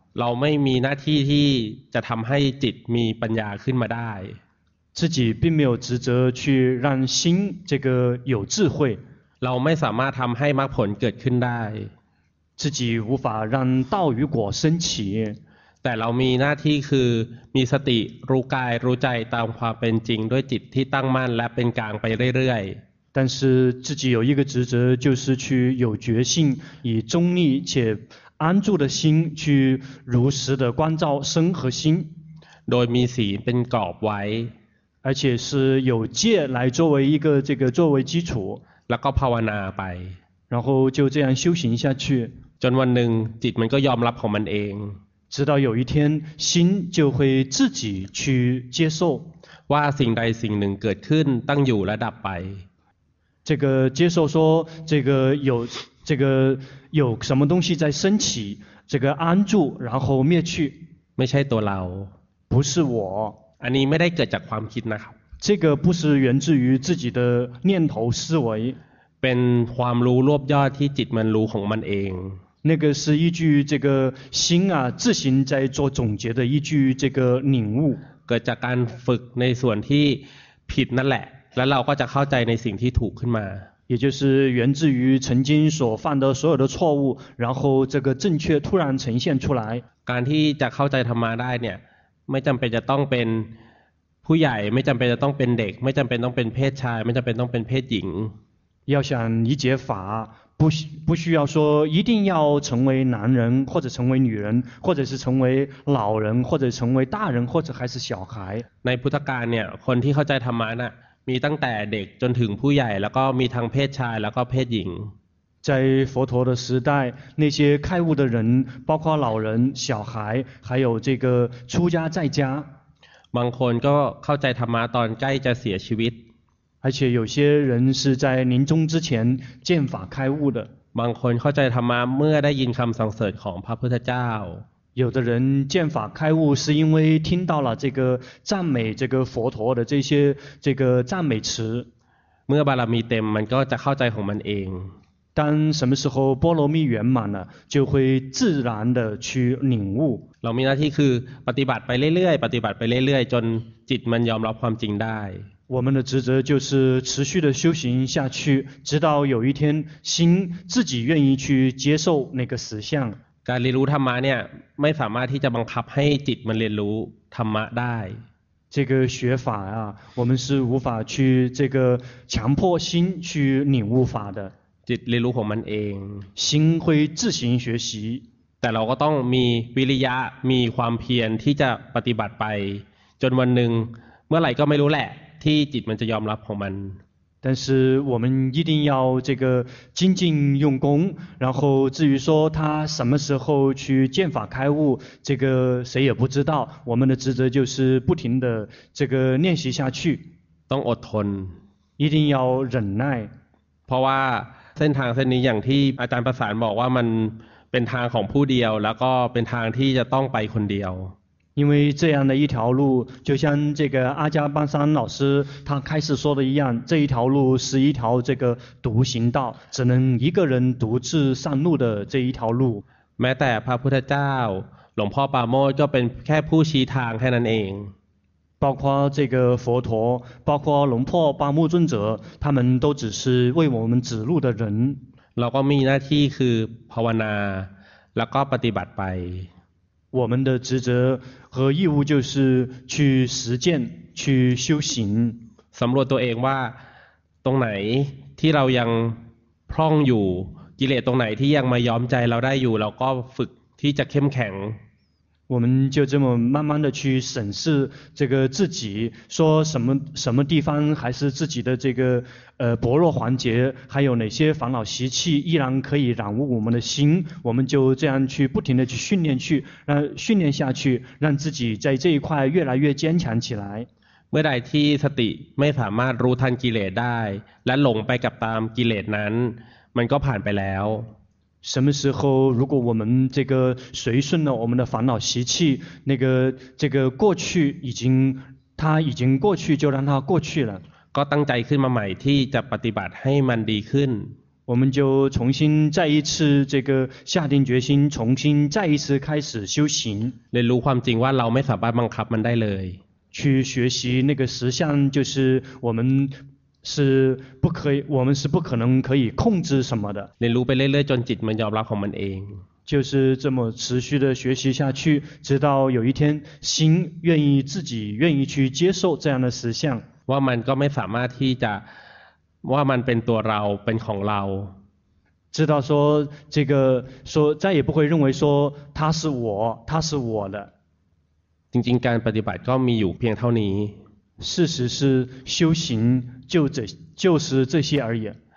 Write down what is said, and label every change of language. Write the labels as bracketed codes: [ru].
[th] เราไม่มีหน้าที่ที่จะทำให้จิตมีปัญญาขึ้นมาได้ [zh] 自己并没有职责去让心这个有智慧 [th] เราไม่สามารถทำให้มรรคผลเกิดขึ้นได้ [zh] 自己无法让道与果升起 [th] แต่เรามีหน้าที่คือมีสติรู้กายรู้ใจตามความเป็นจริงด้วยจิตที่ตั้งมั่นและเป็นกลางไปเรื่อย [zh] ๆ但是自己有一个职责就是去有觉性以中立且安住的心去如实的关照身和心 [th] โดยมีศีลเป็นกรอบไว้ [zh] 而且是有戒来作为一个这个作为基础 [th] แล้วก็ภาวนาไป [zh] 然后就这样修行下去 [th] จนวันหนึ่งจิตมันก็ยอมรับของมันเอง [zh] 直到有一天心就会自己去接受 [th] ว่าสิ่งใดสิ่งหนึ่งเกิดขึ้นตั้งอยู่และดับไป [zh] 这个接受说这个有什么东西在升起这个安住然后灭去 [th] ไม่ใช่ตัวเรา [zh] 不是我 [th] อันนี้ไม่ได้เกิดจากความคิดนะครับ [zh] 这个不是源自于自己的念头思维 [th] นความรู้รวบยอดที่จิตมันรู้ของมันเอง [zh] 那个是依据这个心啊自行在做总结的依据这个领悟 [th] เกิดจากการฝึกในส่วนที่ผิดนั่นแหละแล้วเราก็จะเข้าใจในสิ่งที่ถูกขึ้นมา [zh] 也就是源自于曾经所犯的所有的错误然后这个正确突然呈现出来 [th] การที่จะเข้าใจธรรมะได้เนี่ยไม่จำเป็นจะต้องเป็นผู้ใหญ่ไม่จำเป็นจะต้องเป็นเด็กไม่จำเป็นต้องเป็นเพศชายไม่จำเป็นต้องเป็นเพศหญิง [zh] 要想理解法不需要说一定要成为男人或者成为女人或者是成为老人或者成为大人或者还是小孩 [th] ในพุทธกาลเนี่ยคนที่เข้าใจธรรมะน่ะมีตั้งแต่เด็กจนถึงผู้ใหญ่แล้วก็มีทั้งเพศชายแล้วก็เพศหญิง [zh] 在佛陀的时代那些开悟的人包括老人小孩还有这个出家在家 [th] บางคนก็เข้าใจธรรมะตอนใกล้จะเสียชีวิต [zh] 而且有些人是在临终之前见法开悟的 [th] บางคนเข้าใจธรรมะเมื่อได้ยินคำสั่งเสริญของพระพุทธเจ้า [zh] 有的人见法开悟是因为听到了这个赞美这个佛陀的这些这个赞美词 [th] เมื่อบารมีเต็มมันก็จะเข้าใจของมันเอง [zh] 当什么时候波罗蜜圆满了就会自然的去领悟 [th] เรามีหน้าที่คือปฏิบัติไปเรื่อยๆปฏิบัติไปเรื่อยๆจนจิตมันยอมรับความจริงได้ [zh] 我们的职责就是持续的修行下去直到有一天心自己愿意去接受那个实相 [th] การเรียนรู้ธรรมะเนี่ยไม่สามารถที่จะบังคับให้จิตมันเรียนรู้ธรรมะได้ [zh] 这个学法啊我们是无法去这个强迫心去领悟法的 [th] จิตเรียนรู้ของมันเอง [zh] 心会自行学习 [th] แต่เราก็ต้องมีวิริยะมีความเพียรที่จะปฏิบัติไปจนวันหนึ่งเมื่อไหร่ก็ไม่รู้แหละที่จิตมันจะยอมรับของมัน [zh] 但是我们一定要这个精进用功然后至于说他什么时候去见法开悟这个谁也不知道我们的职责就是不停的这个练习下去 [th] ต้องอดทน [zh] 一定要忍耐 [th] เพราะว่าเส้นทางเส้นนี้อย่างที่อาจารย์ประสานบอกว่ามันเป็นทางของผู้เดียวแล้วก็เป็นทางที่จะต้องไปคนเดียว [zh] 因为这样的一条路就像这个阿加班山老师他开始说的一样这一条路是一条这个独行道只能一个人独自上路的这一条路 [th] แม้แต่พระพุทธเจ้าหลวงพ่อปาโมทย์ก็เป็นแค่ผู้ชี้ทางแค่นั้นเอง [zh] 包括这个佛陀包括龙破巴木尊者他们都只是为我们指路的人 [th] เราก็มีหน้าที่คือภาวนาแล้วก็ปฏิบัติไป [zh] 我们的职责和义务就是去实践去修行 [th] สำรวจตัวเองว่าตรงไหนที่เรายังพร่องอยู่กิเลสตรงไหนที่ยังไม่ยอมใจเราได้อยู่เราก็ฝึกที่จะเข้มแข็ง [zh] 我们就这么慢慢的去审视这个自己说什么地方还是自己的这个薄弱环节还有哪些烦恼习气依然可以染污我们的心我们就这样去不停的去训练去让训练下去让自己在这一块越来越坚强起来 [th] เมื่อใดที่สติไม่สามารถรู้ทันกิเลสได้และหลงไปกับตามกิเลสนั้นมันก็ผ่านไปแล้ว [zh] 什么时候如果我们这个随顺了我们的烦恼习气那个这个过去已经它已经过去就让它过去了 [th] ก็ตั้งใจขึ้นมาใหม่ที่จะปฏิบัติให้มันดีขึ้น [zh] 我们就重新再一次这个下定决心重新再一次开始修行 [th] เรียนรู้ความจริงว่าเราไม่สามารถบังคับมันได้เลย [zh] 去学习那个实相就是我们是不可以我们是不可能可以控制什么的 [th] เรียนรู้ไปเรื่อยๆจนจิตมันยอมรับของมันเอง [zh] 就是这么持续的学习下去直到有一天心愿意自己愿意去接受这样的实相 [th] ว่ามันก็ไม่สามารถที่จะว่ามันเป็นตัวเราเป็นของเรา [zh] 知道说这个说再也不会认为说他是我他是我的 [th] จริงๆการปฏิบัติก็มีอยู่เพียงเท่านี้ [zh] 事实是修行就是这些而已